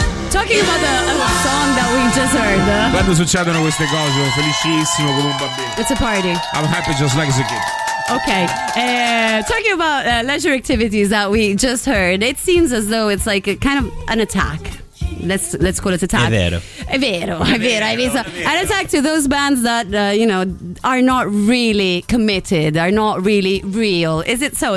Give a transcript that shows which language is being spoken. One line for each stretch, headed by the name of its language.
English: Talking about the song that we just heard.
Italian: Quando succedono queste cose, sono felicissimo come un bambino.
English: It's a party. I'm happy just like a kid. Okay, talking about leisure activities that we just heard, it seems as though it's like a kind of an attack. Let's call it attack.
Italian: È vero. È vero, è vero, è vero.
English: An attack to those bands that, you know, are not really committed, are not really real. Is it so?